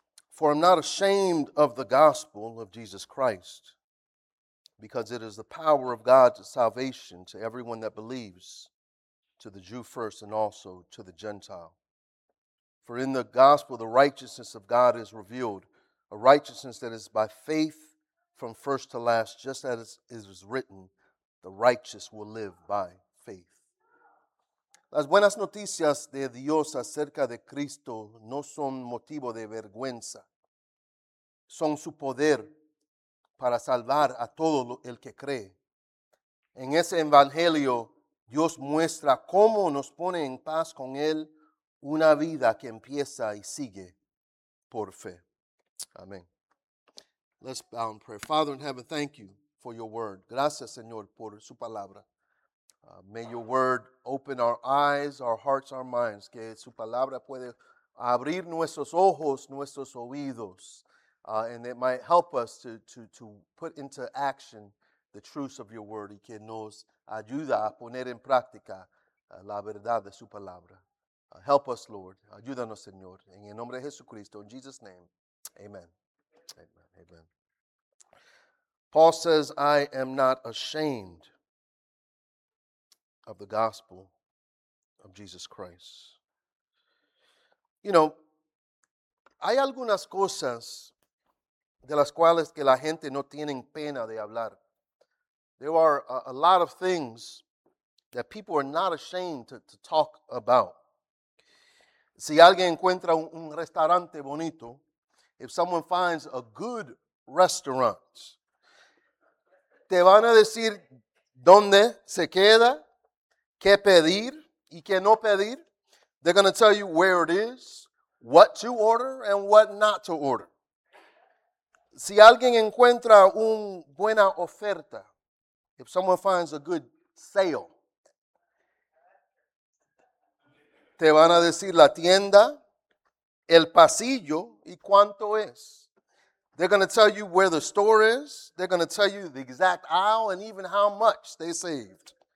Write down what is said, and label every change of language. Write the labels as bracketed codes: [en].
[en] For I'm not ashamed of the gospel of Jesus Christ, because it is the power of God to salvation to everyone that believes, to the Jew first and also to the Gentile. For in the gospel the righteousness of God is revealed, a righteousness that is by faith from first to last, just as it is written, the righteous will live by faith. [es] Las buenas noticias de Dios acerca de Cristo no son motivo de vergüenza. Son su poder para salvar a todo el que cree. En ese evangelio, Dios muestra cómo nos pone en paz con Él una vida que empieza y sigue por fe. [en] Amen. Let's bow in prayer. Father in heaven, thank you for your word. [es] Gracias, Señor, por su palabra. [en] May your word open our eyes, our hearts, our minds. [es] Que su palabra puede abrir nuestros ojos, nuestros oídos. [en] And it might help us to put into action the truths of your word. [es] Y que nos ayuda a poner en práctica la verdad de su palabra. [en] Help us, Lord. [es] Ayúdanos, Señor. En el nombre de Jesucristo, [en] in Jesus' name. Amen. Amen. Amen. Paul says, I am not ashamed of the gospel of Jesus Christ. [es] You know, hay algunas cosas de las cuales que la gente no tienen pena de hablar. [en] There are a lot of things that people are not ashamed to talk about. [es] Si alguien encuentra un restaurante bonito, [en] if someone finds a good restaurant, [es] te van a decir dónde se queda, qué pedir y qué no pedir. [en] They're going to tell you where it is, what to order and what not to order. [es] Si alguien encuentra una buena oferta, [en] if someone finds a good sale, [es] te van a decir la tienda, el pasillo y cuánto es. [en] They're going to tell you where the store is. They're going to tell you the exact aisle and even how much they saved.